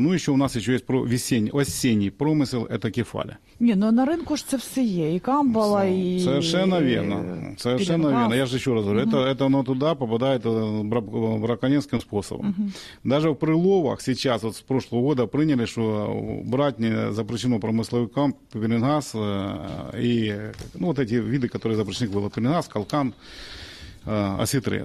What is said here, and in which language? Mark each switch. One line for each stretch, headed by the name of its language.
Russian: Ну, еще у нас еще есть осенний промысел, это кефаля.
Ukrainian: Не, ну на рынку ж це все є, і камбала, все.
Russian: Совершенно верно, совершенно верно. Я же еще раз говорю, это оно туда попадает браконьерским способом. Даже в приловах сейчас, вот с прошлого года приняли, что брать не запрещено промысловый камп, пеленгаз, и ну, вот эти виды, которые запрещены к вилову, пеленгаз, калка, осетры.